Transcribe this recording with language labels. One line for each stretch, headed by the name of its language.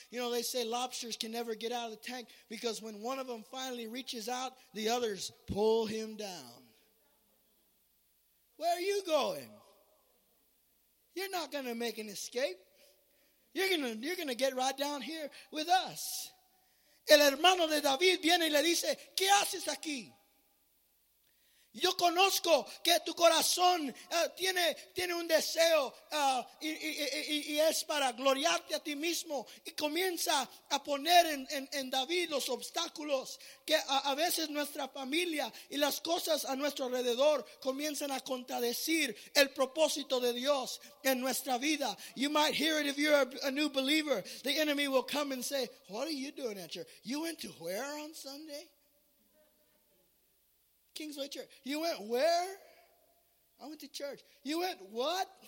English: You know, they say lobsters can never get out of the tank because when one of them finally reaches out, the others pull him down. Where are you going? You're not going to make an escape. You're going to get right down here with us.
Spanish: El hermano de David viene y le dice, ¿qué haces aquí? Yo conozco que tu corazón tiene un deseo y es para gloriarte a ti mismo. Y comienza a poner en David los obstáculos que a veces nuestra familia y las cosas a nuestro alrededor comienzan a contradecir el propósito de Dios en nuestra vida.
English: You might hear it if you're a new believer. The enemy will come and say, what are you doing at church? You went to where on Sunday? Kingsway Church. You went where? I went to church. You went what?